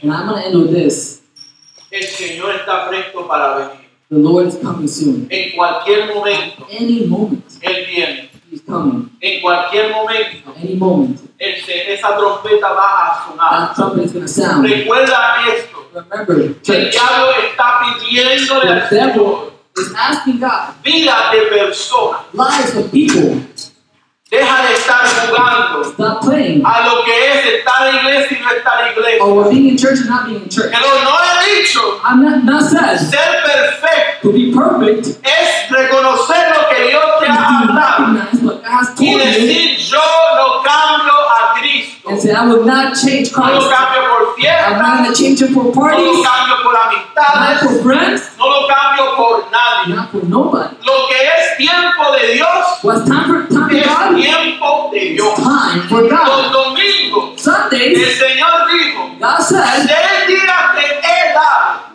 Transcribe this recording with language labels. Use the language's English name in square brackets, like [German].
[English] And I'm going to end with this. [Spanish] El Señor está presto para venir. [English] The Lord is coming soon. [Spanish] En cualquier momento. [English] At any moment. [Spanish] Él viene. [English] He's coming. [Spanish] En cualquier momento. [English] At any moment. [Spanish] Esa trompeta va a sonar. [English] That trumpet is going to sound. [Spanish] Recuerda esto. [English] Remember, church. [Spanish] El diablo está pidiendo al Señor. [English] Is asking God. [Spanish] Vida de persona. [English] Lives of people. [Spanish] Deja de estar jugando. [English] Stop playing. [Spanish] A lo que es estar en iglesia y no estar en iglesia. [English] Or being in church and not being in church. [Spanish] Pero no he dicho. [English] I'm not said. [Spanish] Ser perfecto. [English] To be perfect. [Spanish] Es reconocer lo que Dios te ha dado. Y decir yo no cambio a Cristo. [English] And say I will not change Christ. [Spanish] No lo cambio por fiesta. [English] I'm not going to change him for parties. [Spanish] No lo cambio por amistades. [English] Not for friends. [Spanish] No lo cambio. [English] Not for nobody. [Spanish] Lo que es tiempo de Dios. [English] What's time for time [Spanish] es [English] God? [Spanish] Tiempo de Dios. [English] Time for God. [Spanish] Los domingos. [English] Sundays. [Spanish] El Señor dijo. [English] God said. [Spanish] Seis días te he dado.